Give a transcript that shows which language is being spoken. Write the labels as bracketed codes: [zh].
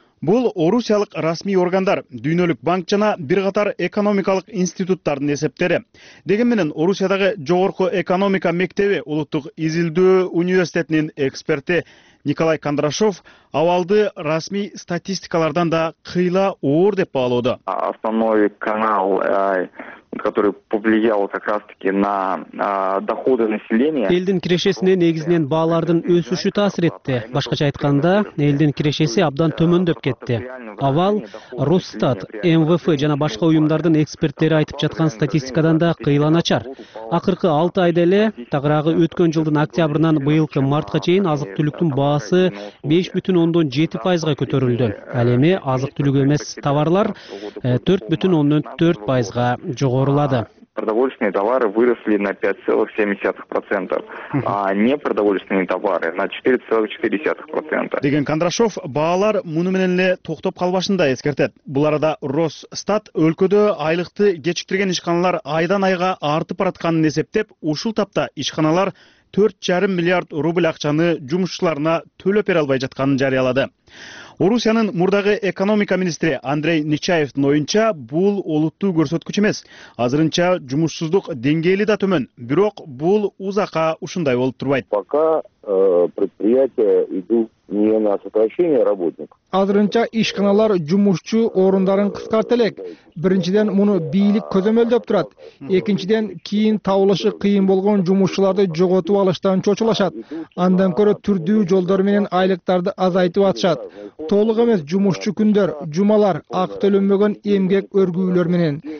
[ky] Бул орусиялык расмий органдар, дүйнөлүк банк жана бир катар экономикалык институттардын эсептери. Деген менен Орусиядагы жогорку экономика мектеби улуттук изилдөө университетинин эксперти Николай Кондрашов абалды расмий статистикалардан да кыйла оор деп баалоодо. [ru] Основной канал, который повлиял как раз таки на доходы населения. [ky] Элдин кирешесине негизинен баалардын өсүшү таасир этти. Башкача айтканда, элдин кирешеси абдан төмөндөп кетти. Авал Росстат, МВФ жана башка уюмдардын эксперттери айтып жаткан статистикадан да кыйланачар. Акыркы 6 айда эле, тагыраагы өткөн жылдын октябрынан быйылкы мартка чейин азык-түлүктүн баасы 5.7% көтөрүлдү. Ал эми азык-түлүк эмес товарлар 4.4% жогорулады. [ru] Продовольственные товары выросли на 5.7%, а непродовольственные товары на 4.4%. [ky] Деген Кондрашов баалар муну менен эле токтоп калбашын да эскертет. Бул арада Росстат өлкөдө айлыкты кечиктирген ишканалар айдан айга артып баратканын эсептеп, ушул тапта ишканалар 4,5 миллиард рубль акчаны жумушчуларына төлөп бере албай жатканын жарыялады. Орусиянын мурдагы экономика министри Андрей Нечаевдин оюнча, бул олуттуу көрсөткүч эмес. Азырынча жумушсуздук деңгээли да төмөн, бирок бул узакка ушундай болуп турбайт. [ru] Пока предприятия идут не на сокращение работников. [ky] Азырынча ишканалар жумушчу орундарын кыскарта элек. Биринчиден муну бийлик көзөмөлдөп турат. Экинчиден кийин табылышы кыйын болгон жумушчуларды жоготуп алыштан чочулашат. Андан көрө түрдүү жолдор менен айлыктарды азайтып атышат. Толук эмес жумушчу күндөр, жумалар, акы төлөнбөгөн эмгек өргүүлөр менен.